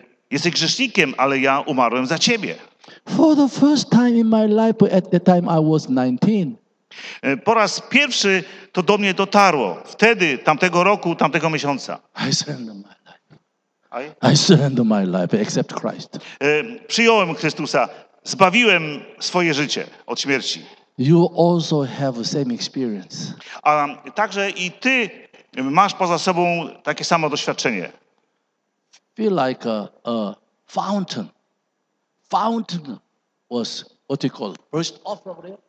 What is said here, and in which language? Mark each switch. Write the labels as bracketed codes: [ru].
[pl] Jesteś grzesznikiem, ale ja umarłem za ciebie. [en] For the first time in my life, at the time I was 19. [pl] Po raz pierwszy to do mnie dotarło. Wtedy, tamtego roku, tamtego miesiąca. [en] I surrender my life. I surrender my life, except Christ. [pl] Przyjąłem Chrystusa. Zbawiłem swoje życie od śmierci. [en] You also have the same experience. [pl] A także i ty masz poza sobą takie samo doświadczenie. [en] Feel like a fountain. Fountain was what you call burst off from there.